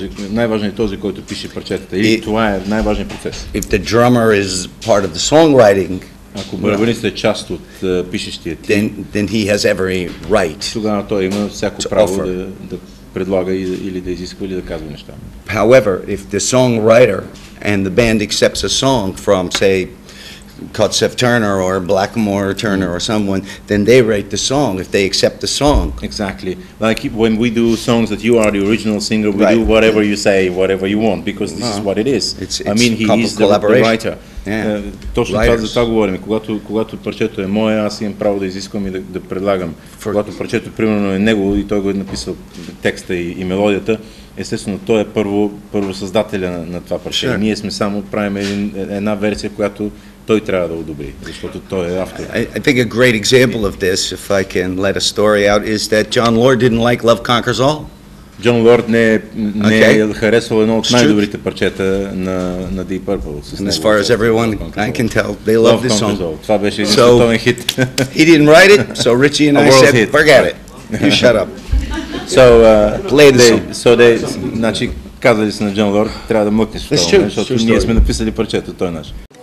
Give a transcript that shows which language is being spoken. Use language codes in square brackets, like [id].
[bg] Най-важното е този, който пише парчетата. И това е най-важният процес. [en] If the drummer is part of the songwriting, [bg] ако барабанистът е част от пишещия тим, [en] then he has every right. [bg] Тогава той има всяко право да предлага или да изисква или да казва неща. [en] However, if the songwriter and the band accepts a song from, say, Kotzef Turner or Blackmore Turner or someone, then they write the song if they accept the song. Exactly. Like when we do songs that you are the original singer, we do whatever you say, whatever you want, because this is what it is. He is the writer. [bg] Точно това за това говорим. Когато парчето е мое, аз имам право да изисквам и да предлагам. Когато парчето примерно е негово и той го е написал текста и мелодията, естествено, той е първо създателя на това парче. Ние сме само правим една версия, която той трябва да одобри, защото той е автор. [en] I think a great example of this, if I can let a story out, is that John Lord didn't like Love Conquers All. [bg] John Lord не е харесал едно от най-добрите парчета на Deep Purple. [en] And as far as everyone I can tell, they love this song. [bg] Това беше един световен хит. [en] He didn't write it, so Richie and I said, forget it. You shut up. So play the song. [bg] Казали са на Джон Лорд, трябва да мъкнеш в това, защото ние сме написали парчето, той е наш.